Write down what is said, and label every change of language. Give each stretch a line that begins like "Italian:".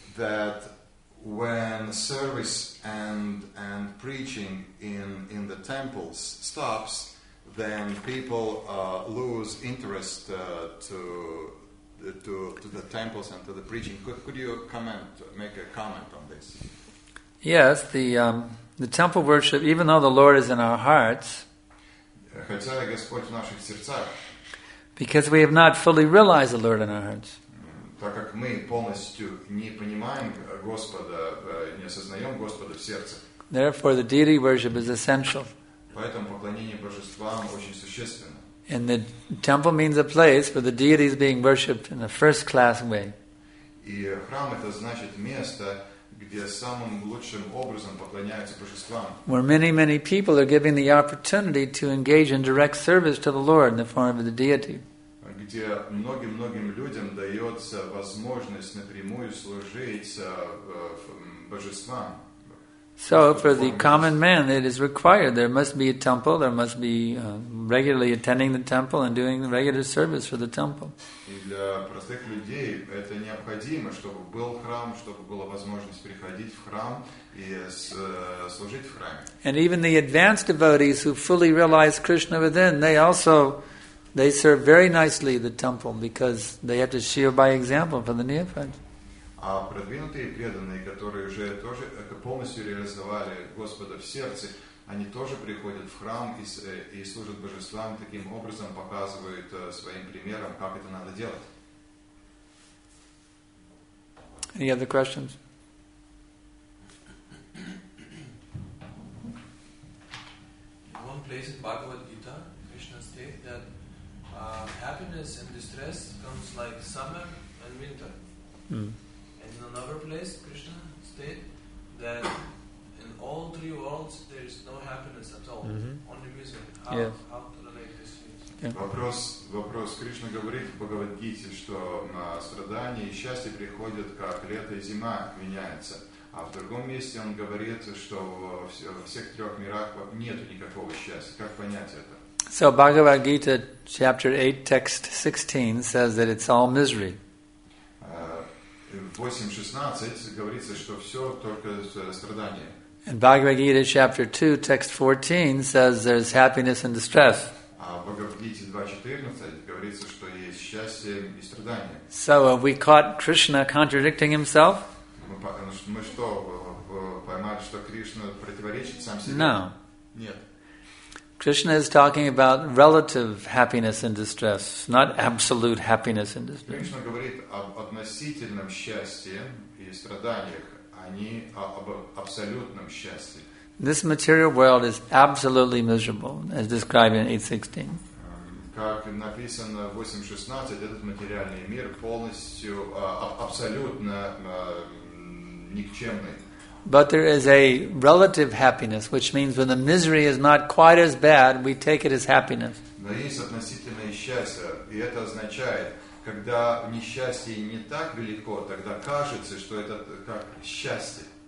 English: that when service and preaching in the temples stops, then people lose interest to the temples and to the preaching. Could you make a comment on this? Yes, the temple worship, even though the Lord is in our hearts,
Russian: хотя Господь в наших сердцах,
English: because we have not fully realized the Lord in our hearts.
Russian: Так как мы полностью не понимаем Господа, не осознаем Господа в сердце.
English: Therefore, the deity worship is essential.
Russian: Поэтому поклонение божествам очень существенно.
English: And the temple means a place where the deity is being worshipped in a first-class way.
Russian: И храм это значит место, где самым лучшим образом поклоняются божествам.
English: Where many, many people are given the opportunity to engage in direct service to the Lord in the form of the deity.
Russian: Где многим-многим людям дается возможность напрямую служить божествам.
English: So for the common man it is required. There must be a temple, there must be regularly attending the temple and doing the regular service for the temple.
Russian: И для простых людей это необходимо, чтобы был храм, чтобы была возможность приходить в храм и служить в храме.
English: And even the advanced devotees who fully realize Krishna within, they serve very nicely the temple because they have to show by example for the neophytes.
Russian: А продвинутые преданные, которые уже тоже полностью реализовали Господа в сердце, они тоже приходят в храм и служат божествам, таким образом показывают своим примером, как это надо делать.
English: Any other questions? In one place in Bhagavad Gita, Krishna states that happiness and distress comes like summer and winter. Mm. In another place, Krishna states that in all three worlds there is no happiness at all, mm-hmm. only misery. How to relate this to you?
Russian: Yeah. Вопрос. Кришна говорит в Бхагавад-гите, что страдания и счастье приходят, как лето и зима меняются. А в другом месте он говорит, что во всех трех мирах нет никакого счастья. Как понять это?
English: So Bhagavad-gita, chapter 8, text 16, says that it's all misery.
Russian: 8:16 говорится, что все только страдание.
English: And Bhagavad Gita chapter 2 text 14 says there's happiness and distress.
Russian: А в Бхагавад Гите 2:14 говорится, что есть счастье и страдание.
English: So have we caught Krishna contradicting himself?
Russian: Мы что, поймали, что Кришна противоречит сам себе?
English: No.
Russian: Нет.
English: Krishna is talking about relative happiness and distress, not absolute happiness and distress.
Russian: Кришна говорит об относительном счастье и страданиях, а не об абсолютном счастье.
English: This material world is absolutely miserable, as described in 8.16.
Russian: Как написано в 8.16, этот материальный мир полностью, абсолютно никчемный.
English: But there is a relative happiness, which means when the misery is not quite as bad, we take it as happiness.
Russian: Но есть относительное счастье, и это означает, когда несчастье не так велико, тогда кажется, что это как счастье.